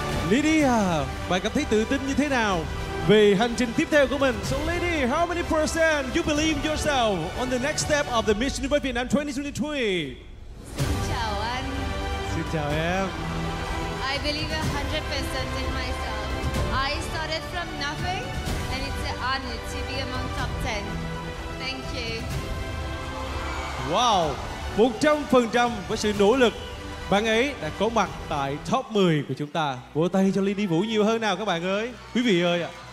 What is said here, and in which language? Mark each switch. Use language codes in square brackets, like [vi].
[vi] Lý Đi à, bạn cảm thấy tự tin như thế nào về hành trình tiếp theo của mình? [en] So lady, how many percent you believe yourself on the next step of the Miss Universe Việt Nam 2023? [vi] Xin chào anh. Xin chào em. [en] I believe 100% in myself. I started from nothing and it's an honor to be among top 10. Thank you. [vi] Wow, 100% với sự nỗ lực, bạn ấy đã có mặt tại top 10 của chúng ta. Vỗ tay cho Lý Đi Vũ nhiều hơn nào các bạn ơi. Quý vị ơi ạ.